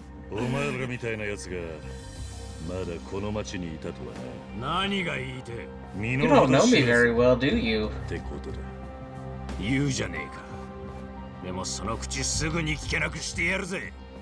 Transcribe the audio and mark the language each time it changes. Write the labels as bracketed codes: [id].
[ja] お前らみたいなやつがまだこの町にいたとはな。何が言いて。 [en] You don't know me very well, do you? [ja] ってことだ。言うじゃねえか。でもその口すぐに聞けなくしてやるぜ。